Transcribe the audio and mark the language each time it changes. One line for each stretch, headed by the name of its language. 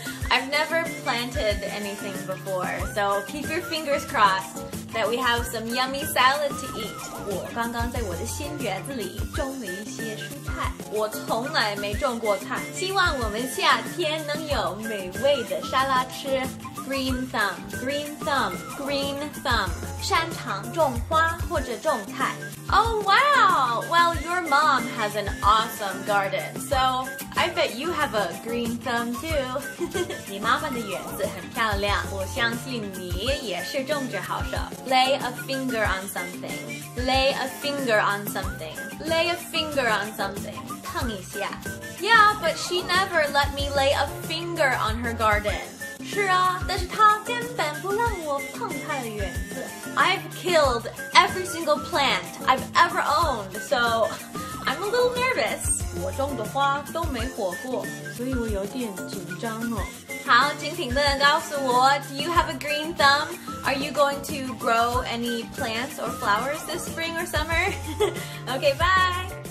English: I've never planted anything before, so keep your fingers crossed. That we have some yummy salad to eat.
Chinese: 我刚刚在我的新园子里种了一些蔬菜。我从来没种过菜。希望我们夏天能有美味的沙拉吃。
English: Green thumb, green thumb, green thumb.
Chinese: 擅长种花或者种菜。
English: Oh wow! Well, your mom has an awesome garden, so I bet you have a green thumb too.
Chinese: 你妈妈的园子很漂亮，我相信你也是种植好手。
English: Lay a finger on something. Lay a finger on something. Lay a finger on something.
Chinese: 碰一下。
English: Yeah, but she never let me lay a finger on her garden.
Chinese: 是啊，但是他根本不让我碰他的园子。
English: I've killed every single plant I've ever owned, so I'm a little nervous.
Chinese: 我种的花都没火过，所以我有点紧张哦。好，请评论告诉我 ，
English: Do you have a green thumb? Are you going to grow any plants or flowers this spring or summer? okay, bye.